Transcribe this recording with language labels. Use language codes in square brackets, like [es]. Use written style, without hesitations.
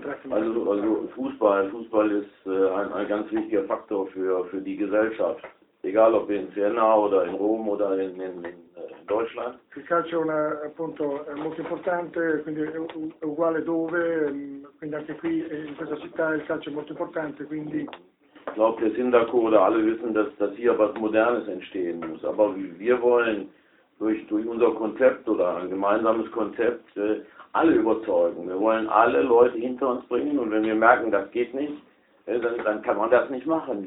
[de] Also Fußball ist ein ganz wichtiger Faktor für die Gesellschaft, egal ob in Siena oder in Rom oder in Deutschland. [it] Il calcio è appunto molto importante, quindi è uguale dove, quindi anche qui in questa città il calcio è molto importante, quindi. [de] Ich glaube, der Sindaco oder alle wissen, dass hier was Modernes entstehen muss. Aber wir wollen durch unser Konzept oder ein gemeinsames Konzept alle überzeugen. Wir wollen alle Leute hinter uns bringen und wenn wir merken, das geht nicht, dann kann man das nicht machen.